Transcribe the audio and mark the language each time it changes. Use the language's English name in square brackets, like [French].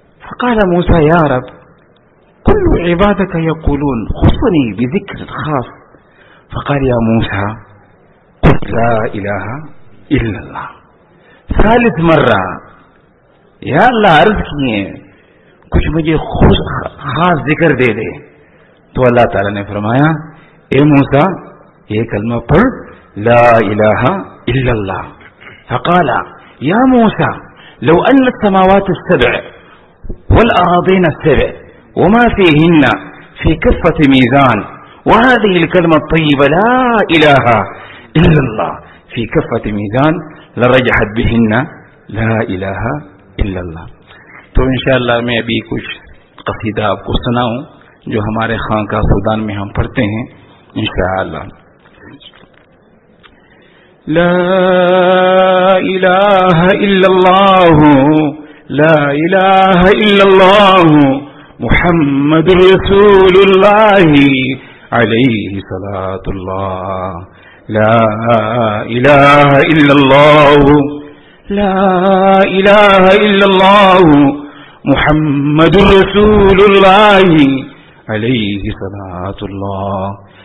[Arabic] فقال موسى, يا رب كل عبادك يقولون خصني بذكر خاص. فقال يا موسى, قل لا إله إلا الله. ثالث مرة, يا الله أرزقني كش [Urdu] مجھے خص خاص ذكر دے دے. تو اللہ تعالیٰ نے فرمایا, اے موسى یہ کلمہ پڑھ, [Arabic] لا إله إلا الله. فقال يا موسى, لو أن السماوات السبع والأراضين السبع وما فيهن في كفة ميزان وهذه الكلمة الطيبة لا إله إلا الله في كفة ميزان لرجحت بهن لا إله إلا الله. [Urdu] تو إن شاء الله میں ابھی کچھ قصیدہ آپ کو سناؤں جو ہمارے خانقاہ سودان میں ہم پڑھتے ہیں ان شاء اللہ. [Arabic] لا إله إلا الله لا إله إلا الله محمد رسول الله عليه صلاة الله. لا إله إلا الله لا إله إلا الله محمد رسول الله عليه صلاة الله.